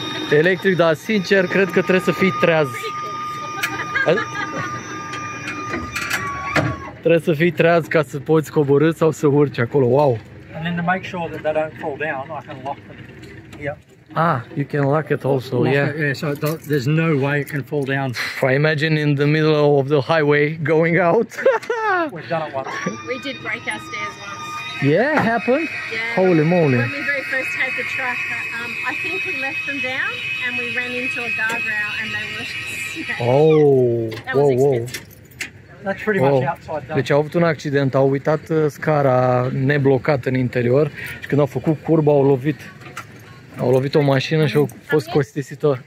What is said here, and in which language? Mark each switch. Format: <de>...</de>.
<ro>Electric, dar sincer cred că trebuie să fii treaz. Trebuie să fii treaz ca să poți coborî sau să urci acolo.</ro> <en>Wow. And then to make sure that they don't fall down, I can lock them. Yep. Ah, you can lock it also, So there's no way it can fall down. I imagine in the middle of the highway going out. We've done it once. We did break our stairs once. Yeah, it happened? Yeah. Holy moly. When we very first had the truck, I think we left them down and we ran into a guardrail and they were That was expensive. That's pretty much outside.</en> <ro>Deci au avut un accident, au uitat scara neblocată în interior și când au făcut curba au lovit. Au lovit o mașină și au fost costisitor.</ro>